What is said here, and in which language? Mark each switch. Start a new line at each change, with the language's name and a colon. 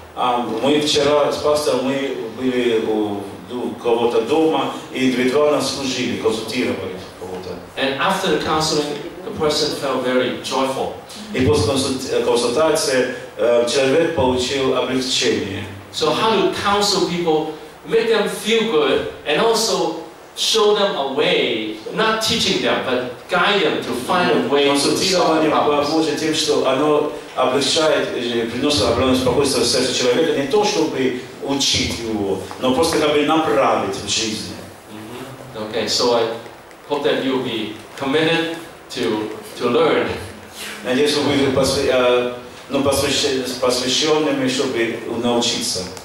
Russian: Мы вчера с пастором мы были у кого-то дома и индивидуально служили, консультировали кого-то.
English: And after the counseling, the person felt very joyful.
Russian: И после консультации человек получил облегчение.
English: So how to counsel people, make them feel good, and also show them a way, not teaching them, but guide them to find a way to solve problems.
Russian: Консультирование поможет тем, что оно облегчает, приносит определенное спокойствие в сердце человека, не то чтобы учить его, но просто как бы направить в жизни. Mm-hmm.
English: Okay, so I hope that you'll be committed to learn.
Russian: Надеюсь, вы будете посвященными, чтобы научиться.